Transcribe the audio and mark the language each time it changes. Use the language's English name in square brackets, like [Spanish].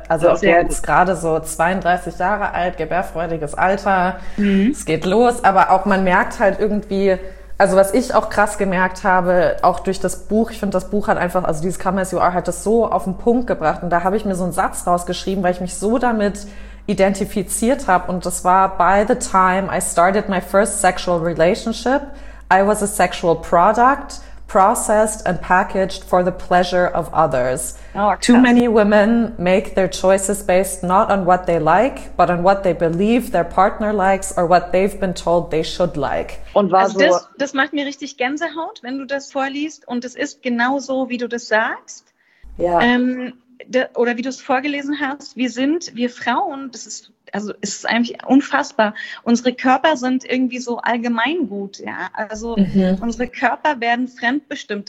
[German] Also ich bin jetzt gerade so 32 Jahre alt, gebärfreudiges Alter, es geht los. Aber auch man merkt halt irgendwie, also was ich auch krass gemerkt habe, auch durch das Buch, ich finde das Buch hat einfach, also dieses Come As You Are hat das so auf den Punkt gebracht. Und da habe ich mir so einen Satz rausgeschrieben, weil ich mich so damit identifiziert habe. Und das war, [English] by the time I started my first sexual relationship, I was a sexual product, processed and packaged for the pleasure of others. Oh, too many women make their choices based not on what they like, but on what they believe their partner likes or what they've been told they should like. [German] Und war also so das macht mir richtig Gänsehaut, wenn du das vorliest. Und es ist genau so, wie du das sagst. Ja. Oder wie du es vorgelesen hast. Wir Frauen, das ist, also es ist eigentlich unfassbar. Unsere Körper sind irgendwie so Allgemeingut, ja. Also unsere Körper werden fremdbestimmt.